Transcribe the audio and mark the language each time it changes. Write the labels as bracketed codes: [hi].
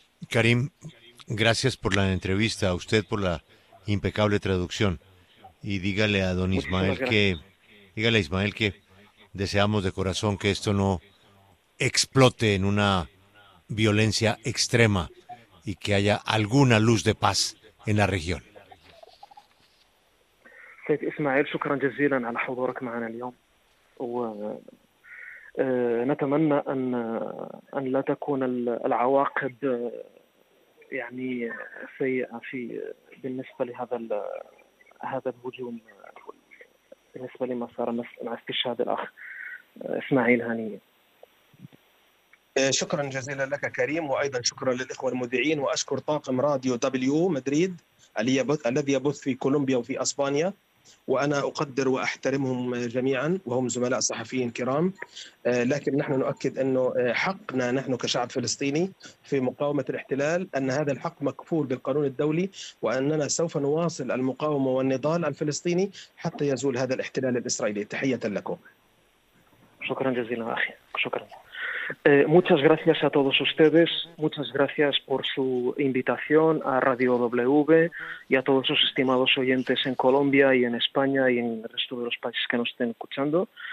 [es] Karim, gracias por la entrevista, a usted por la impecable traducción. Y dígale a don Ismael que, dígale a Ismael que deseamos de corazón que esto no explote en una violencia extrema y que haya alguna luz de paz en la región. [ar] Ismael, شكرا جزيلا على حضورك معنا اليوم. ونتمنى ان لا تكون العواقب يعني سيئة في بالنسبة لهذا هذا الهجوم بالنسبة لما صار مع استشهاد الأخ إسماعيل هنية. شكرا جزيلا لك كريم وأيضا شكرا للإخوة المذيعين وأشكر طاقم راديو W مدريد الذي يبث في كولومبيا وفي أسبانيا وأنا أقدر وأحترمهم جميعا وهم زملاء صحفيين كرام لكن نحن نؤكد أنه حقنا نحن كشعب فلسطيني في مقاومة الاحتلال أن هذا الحق مكفول بالقانون الدولي وأننا سوف نواصل المقاومة والنضال الفلسطيني حتى يزول هذا الاحتلال الإسرائيلي. تحية لكم. شكرا جزيلا أخي. شكرا. [es] Muchas gracias a todos ustedes, muchas gracias por su invitación a Radio W y a todos sus estimados oyentes en Colombia y en España y en el resto de los países que nos estén escuchando.